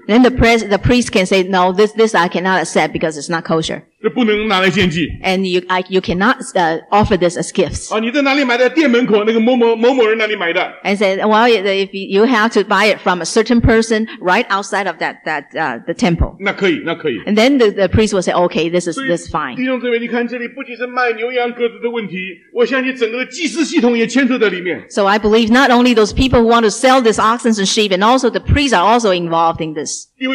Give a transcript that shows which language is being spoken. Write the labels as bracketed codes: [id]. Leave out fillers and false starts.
[en] Then the priest can say, no, this I cannot accept because it's not kosher. [zh] 这不能拿来献祭。 [en] And you cannot offer this as gifts. [zh] 你在哪里买的?店门口,那个某某人哪里买的? [en] And say, well, if you have to buy it from a certain person right outside of the temple. [zh] 那可以。 [en] And then the priest will say, okay, this is fine. [zh] 弟兄姊妹,你看这里不仅是卖牛羊鸽子的问题,我相信整个祭祀系统也牵扯在里面。 [en] So I believe not only those people who want to sell this oxen and sheep, and also the priests are also involved in this.